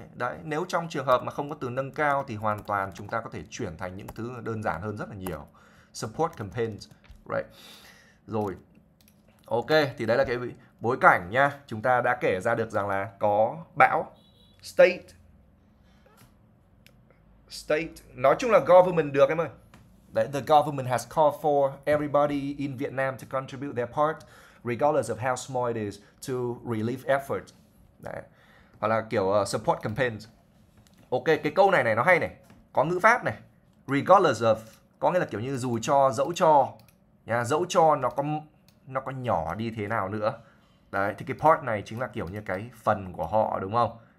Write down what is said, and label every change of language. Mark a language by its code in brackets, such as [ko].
[vi] Đấy, nếu trong trường hợp mà không có từ nâng cao thì hoàn toàn chúng ta có thể chuyển thành những thứ đơn giản hơn rất là nhiều. [en] Support campaigns. Right. [vi] Rồi. Ok, thì đấy là cái bối cảnh nha. Chúng ta đã kể ra được rằng là có bão. State. State. Nói chung là government được em ơi. [en] Đấy, the government has called for everybody in Vietnam to contribute their part, regardless of how small it is, to relieve effort. [vi] Đấy. Hoặc là kiểu [en] support campaigns. [vi] Ok, cái câu này này nó hay này. Có ngữ pháp này. Regardless of. Có nghĩa là kiểu như dù cho, dẫu cho. Nha, dẫu cho nó có nhỏ đi thế nào nữa. Đấy, thì cái part này chính là kiểu như cái phần của họ đúng không?